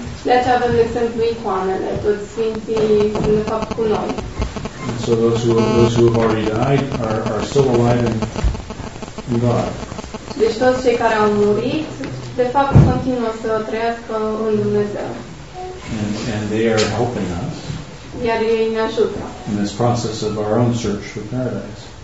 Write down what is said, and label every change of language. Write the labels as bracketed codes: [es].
[ro] Deci avem de exemplu icoanele, toți sfinții sunt de fapt cu noi. [en] And so those who have already died are still alive in God. [ro] Deci toți cei care au murit, de fapt, continuă să trăiască în Dumnezeu. [en] And they are helping us. [ro] Iar ei ne ajută. [en] In this process of our own search for paradise.